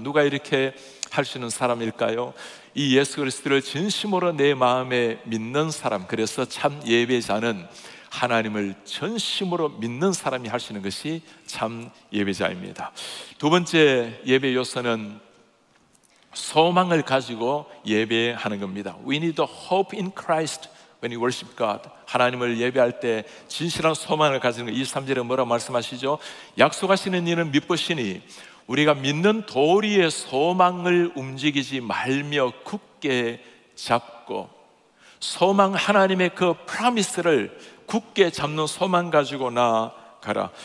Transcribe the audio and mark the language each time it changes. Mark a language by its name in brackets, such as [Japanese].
[Korean] 누가 이렇게 할 수 있는 사람일까요? 이 예수 그리스도를 진심으로 내 마음에 믿는 사람, 그래서 참 예배자는 하나님을 전심으로 믿는 사람이 할 수 있는 것이 참 예배자입니다. 두 번째 예배 요소는 소망을 가지고 예배하는 겁니다. [English] We need a hope in Christ when we worship God. [Korean] 하나님을 예배할 때 진실한 소망을 가지는 것. 23절에 뭐라고 말씀하시죠? 약속하시는 이는 믿으시니 우리가 믿는 도리의 소망을 움직이지 말며 굳게 잡고, 소망, 하나님의 그 프라미스를 굳게 잡는 소망 가지고 나가라.